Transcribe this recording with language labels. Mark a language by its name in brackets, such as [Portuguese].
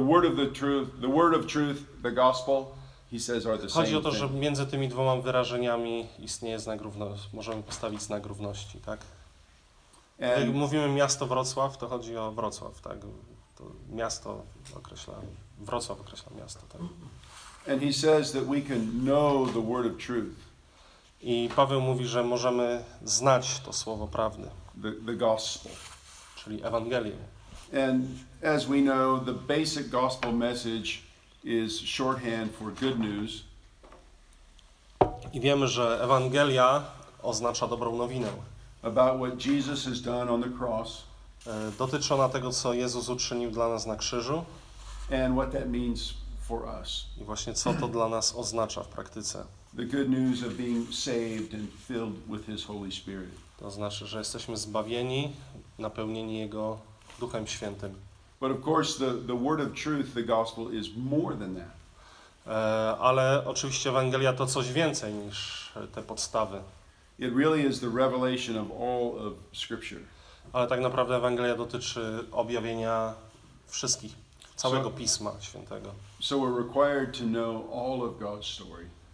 [English] word of the truth, the word of truth, the gospel, he says are the same. [Polish] Chodzi o to, [English] thing. [Polish] Że między tymi dwoma wyrażeniami istnieje znak równości. Możemy postawić znak równości, tak? Jak mówimy miasto Wrocław, to chodzi o Wrocław, tak? To miasto określa Wrocław określa miasto, tak? [English] And he says that we can know the word of truth. [Polish] I Paweł mówi, że możemy znać to słowo prawdy. [English] The gospel. [Polish] Czyli Ewangelię. [English] And as we know, the basic gospel message is shorthand for good news. [Polish] I wiemy, że Ewangelia oznacza dobrą nowinę. [English] About what Jesus has done on the cross. [Polish] Dotyczy ona tego, co Jezus uczynił dla nas na krzyżu. [English] And what that means for us. [Polish] I właśnie co to dla nas oznacza w praktyce. [English] The good news of being saved and filled with his Holy Spirit. [Polish] To znaczy, że jesteśmy zbawieni, napełnieni jego Duchem Świętym. [English] But of course the word of truth, the gospel is more than that. [Polish] Ale oczywiście Ewangelia to coś więcej niż te podstawy. [English] It really is the revelation of all of scripture. [Polish] Ale tak naprawdę Ewangelia dotyczy objawienia wszystkich, całego Pisma Świętego. [English] So we're required to know all of God's story.